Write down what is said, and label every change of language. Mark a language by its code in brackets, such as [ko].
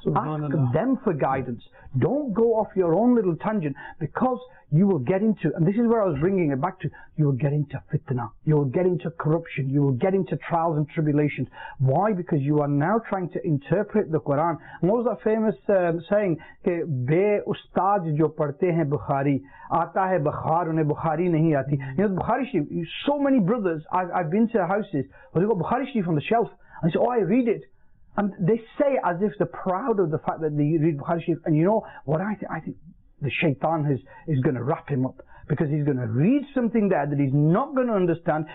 [en] Ask them for guidance. Don't go off your own little tangent, because you will get into, and this is where I was bringing it back to, you will get into fitna, you will get into corruption, you will get into trials and tribulations. Why? Because you are now trying to interpret the Quran. And what was that famous saying? [ur] کہ بے استاد جو پڑھتے ہیں بخاری، آتا ہے بخار، انہیں بخاری نہیں آتی. [en] You know, Bukhari Sharif, so many brothers, I've been to houses, but they've got Bukhari Sharif on the shelf. I say, oh, I read it. And they say as if they're proud of the fact that they read Bukhari Sharif. And you know what I think? I think the shaitan is going to wrap him up, because he's going to read something there that he's not going to understand.